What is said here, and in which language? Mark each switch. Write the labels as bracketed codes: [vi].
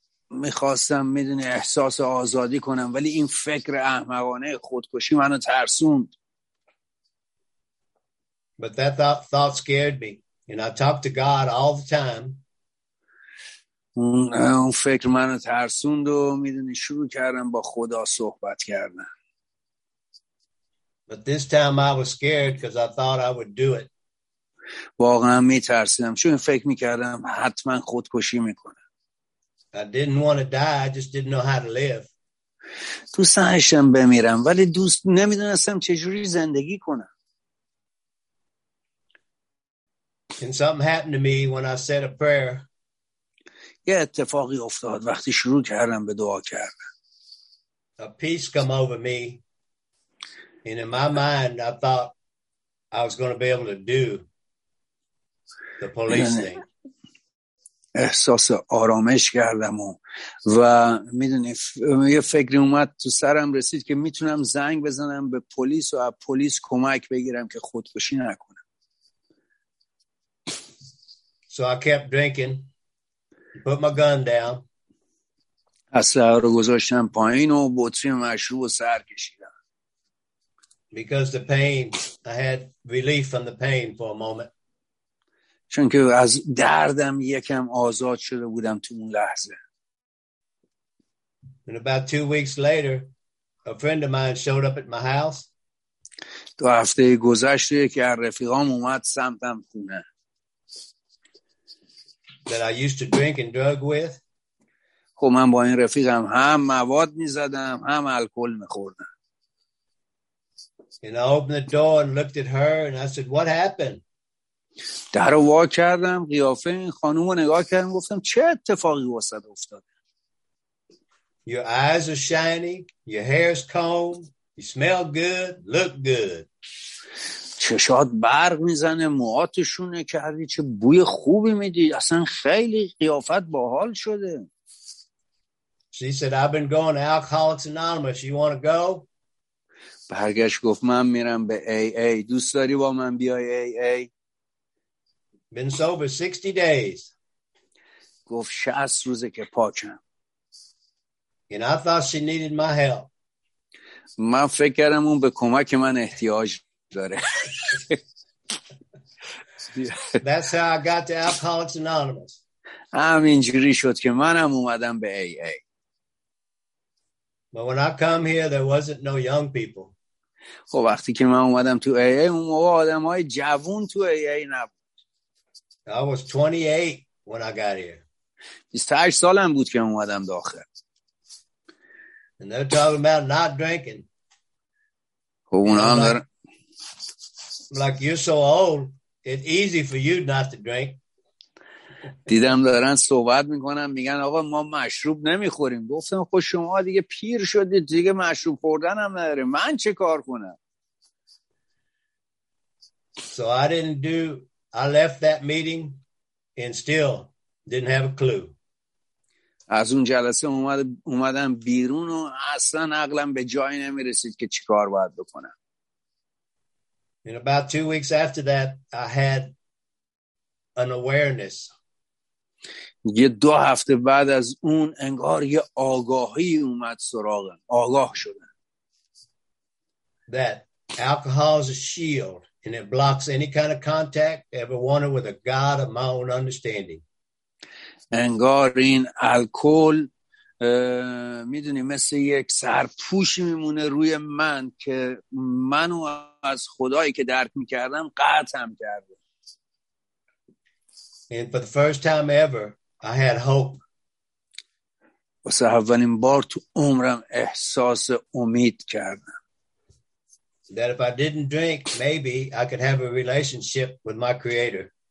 [fa] میخواستم میدونی احساس آزادی کنم ولی این فکر احمقانه خودکشی منو ترسوند. [en] But that thought scared me and I talked to God all the time. [fa] اون فکر منو ترسوند و میدونی شروع کردم با خدا صحبت کردن. [en] But this time I was scared because I thought I would do it. [fa] واقعا می ترسیدم چون فکر می کردم حتما خودکشی می کنم. [en] I didn't want to die, I just didn't know how to live. [fa] دوست داشتم بمیرم ولی دوست نمی دونستم چجوری زندگی کنم. [en] And something happened to me when I said a prayer. [fa] یه اتفاقی افتاد وقتی شروع کردم به دعا کردم. [en] A peace come over me and in my mind I thought I was going to be able to do [fa] احساس آرامش کردم و میدونی یه فکری اومد تو سرم رسید که میتونم زنگ بزنم به پلیس و از پلیس کمک بگیرم که خودکشی نکنم. [en] So I kept drinking, put my gun down. [fa] اسلحه رو گذاشتم پایین و بطری مشروب رو سر کشیدم. [en] Because the pain, I had relief from the pain for a moment. [fa] چون که از دردم یکم آزاد شده بودم تو اون لحظه. [en] And about 2 weeks later, a friend of mine showed up at my house. [fa] دو هفته گذشته که رفیقام اومد سمتم خونه. [en] That I used to drink and drug with. [fa] خب من با این رفیقم هم مواد می‌زدم هم الکل می‌خوردم. [en] And I opened the door and looked at her and I said, "What happened?" [fa] در وا کردم قیافه این خانوم رو نگاه کردم گفتم چه اتفاقی واسه افتاد. [en] Your eyes are shining, your hair's combed, you smell good, look good. [fa] چشات برق میزنه موهاتشونه کردی چه بوی خوبی میدی اصلا خیلی قیافت باحال شده. [en] She said I've been going to Alcoholics Anonymous, you want to go? [fa] برگشت گفت من میرم به AA دوست داری با من بیای AA؟ [en] Been sober 60 days. [fa] گفت 60 روزه که پاکم. [en] And I thought she needed my help. [fa] من فکر کردم اون به کمک من احتیاج داره. [en] That's how I got to Alcoholics Anonymous. [fa] همینجوری شد که منم اومدم به AA. [en] But when I come here there wasn't no young people. [fa] خب وقتی که من اومدم تو AA اون موقع آدم های جوون تو AA نبود. [en] I was 28 when I got here. [fa] 28 سالم بود که اومدم داخل. [en] And they're talking about not drinking. [fa] خب اونا هم دارن. [en] Like you're so old, it's easy for you not to drink. [fa] دیدم دارن صحبت میکنن میگن آقا ما مشروب نمیخوریم. گفتم خب شما دیگه پیر شدید دیگه مشروب خوردن هم نداره. من چه کار کنم؟ [en] So I didn't do, I left that meeting and still didn't have a clue. [fa] از اون جلسه اومدم بیرون و اصلا عقلم به جایی نمیرسید که چی کار باید بکنم. [en] And about 2 weeks after that, I had an awareness. [fa] یه دو هفته بعد از اون انگار یه آگاهی اومد سراغم. آگاه شدم. [en] That alcohol is a shield. And it blocks any kind of contact ever wanted with a God of my own understanding. [fa] انگار این الکل میدونی مثل یک سرپوش میمونه روی من که منو از خدایی که درک میکردم قطع هم کرده. [en] And for the first time ever, I had hope. [fa] واسه اولین بار تو عمرم احساس امید کردم. [en] That if I didn't drink, maybe I could have a relationship with my creator.